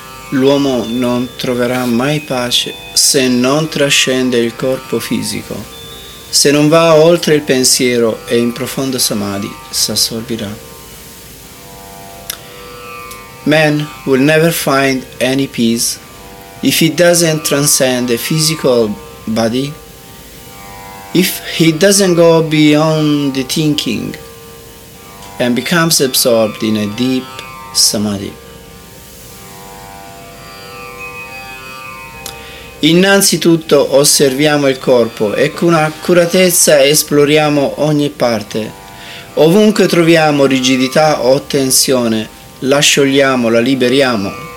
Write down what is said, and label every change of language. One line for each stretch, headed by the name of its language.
Italian: L'uomo non troverà mai pace se non trascende il corpo fisico. Se non va oltre il pensiero e in profondo Samadhi, s'assorbirà.
English: man will never find any peace if he doesn't transcend the physical body, if he doesn't go beyond the thinking and becomes absorbed in a deep samadhi.
Italian: Innanzitutto osserviamo il corpo e con accuratezza esploriamo ogni parte. Ovunque troviamo rigidità o tensione, la sciogliamo, la liberiamo.